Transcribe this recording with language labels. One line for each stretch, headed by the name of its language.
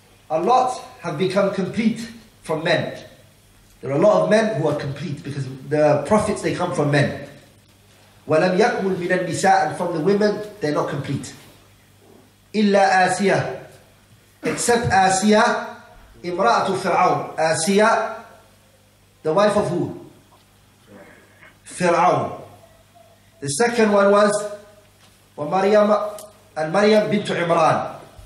English: A lot have become complete from men. There are a lot of men who are complete because the prophets, they come from men.
Arabic: وَلَمْ يَكْمُلْ مِنَ النِّسَاءِ.
English: From the women, they're not complete.
Arabic: إِلَّا آسِيَة. Except آسِيَة, إِمْرَأَةُ فِرْعَوْنَ.
English: آسِيَة, the wife of who?
Arabic: فِرْعَوْن.
English: The second one was ومريم, and مريم بنت عمران.